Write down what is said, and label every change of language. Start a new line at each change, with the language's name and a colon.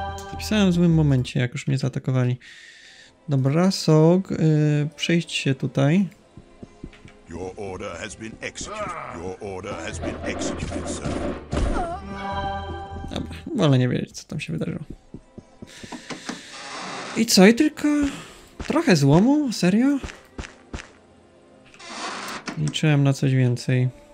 Polish: Zapisałem w złym momencie, jak już mnie zaatakowali. Dobra, Sog, przejdź się tutaj.
English: Your order has been executed. Your order has been executed, sir.
Polish: Dobra, wolę nie wiedzieć, co tam się wydarzyło. I co, i tylko trochę złomu? Serio? Liczyłem na coś więcej.